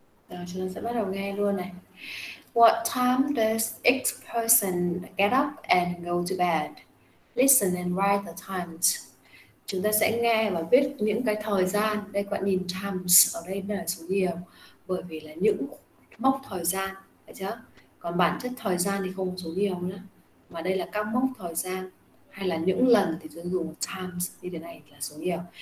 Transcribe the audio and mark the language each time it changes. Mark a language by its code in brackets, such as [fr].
[vi] cho nên sẽ bắt đầu nghe luôn này. [en] What time does X person get up and go to bed? Listen and write the times. [vi] Chúng ta sẽ nghe và viết những cái thời gian. Đây các bạn nhìn times ở đây là số nhiều, bởi vì là những mốc thời gian, phải chưa? Còn bản chất thời gian thì không số nhiều nữa, mà đây là các mốc thời gian hay là những lần thì chúng dùng times như thế này là số nhiều.